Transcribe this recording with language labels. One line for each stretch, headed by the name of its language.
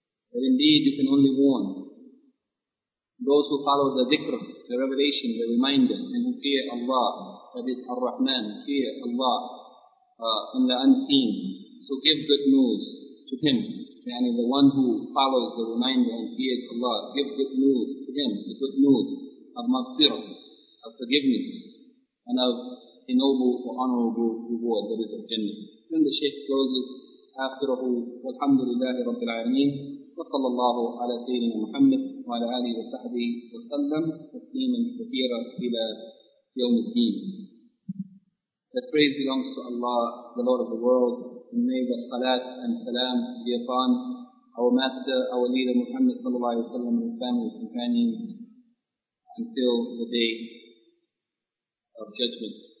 English: That indeed you can only warn those who follow the dhikr, the revelation, the reminder, and who fear Allah, that is Ar-Rahman, fear Allah in the unseen. So give good news to him, yani the one who follows the reminder and fears Allah. Give good news to him, the good news of maghfirah, of forgiveness, and of a noble or honorable reward, that is of Jannah. Then the Shaykh closes,
Arabic: آخره والحمد لله رب العالمين وصلى الله على سيدنا محمد وعلى آله وصحبه وسلم تسليما كثيرا إلى يوم الدين.
English: The praise belongs to Allah, the Lord of the world, and may the salat and salam be upon our master, our leader Muhammad
Arabic: صلى الله عليه وسلم,
English: his family, companions, until the day of judgment.